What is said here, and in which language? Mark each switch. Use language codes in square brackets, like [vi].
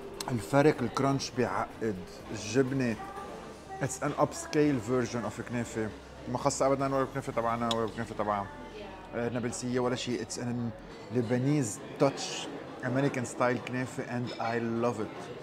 [ar] الفرق الكرنش بيعقد الجبنة. [en] It's an upscale version of كنافة. [ar] ما خص أبدا ولا كنافة طبعاً ولا كنافة طبعاً نابلسية ولا شيء. [en] It's a Lebanese touch, American style كنافة, and I love it.